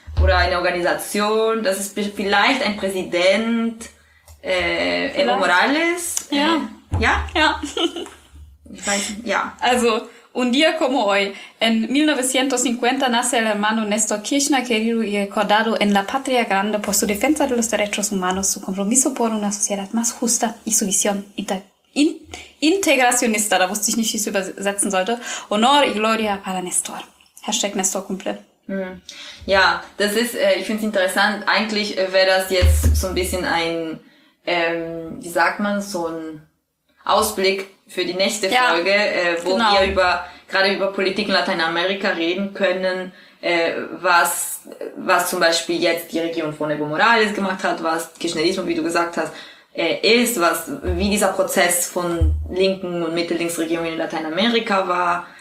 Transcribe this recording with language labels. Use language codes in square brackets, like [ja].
[de] Oder eine Organisation, das ist vielleicht ein Präsident, vielleicht. Evo Morales. Ja. Ja? Ja. Ich weiß, ja. [es] Also, un día como hoy, en 1950 nace el hermano Néstor Kirchner, querido y recordado en la patria grande por su defensa de los derechos humanos, su compromiso por una sociedad más justa y su visión integracionista. [de] Da wusste ich nicht, wie ich es übersetzen sollte. [es] Honor y gloria para Néstor. Hashtag Nestor komplett. [de] Ja, das ist, ich finde es interessant. Eigentlich wäre das jetzt so ein bisschen ein, wie sagt man, so ein Ausblick für die nächste Folge, wo wir gerade über Politik in Lateinamerika reden können, was zum Beispiel jetzt die Regierung von Evo Morales gemacht hat, was Kirchnerismus, wie du gesagt hast, ist, was wie dieser Prozess von linken und Mittellinksregierungen in Lateinamerika war.